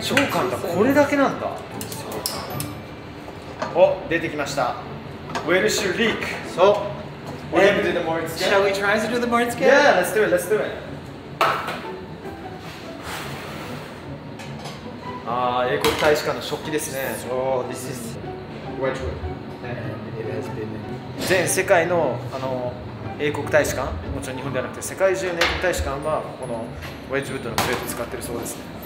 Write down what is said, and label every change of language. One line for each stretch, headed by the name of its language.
Japanese: 超簡単、これだけなんだ。そうか。お、出てきました。ウェルシュリーク。そう。
English: We're going to do the Moritz game. Shall we try to do the Moritz game? Yeah, let's do it, let's do it.
Japanese: Ah, 英国大使館の食器ですね。
English: So, this is Wedgwood. And it has been...
Japanese: 全世界の、あの、英国大使館、もちろん日本ではなくて、世界中の英国大使館は、この Wedgwood のプレートを使ってるそうですね。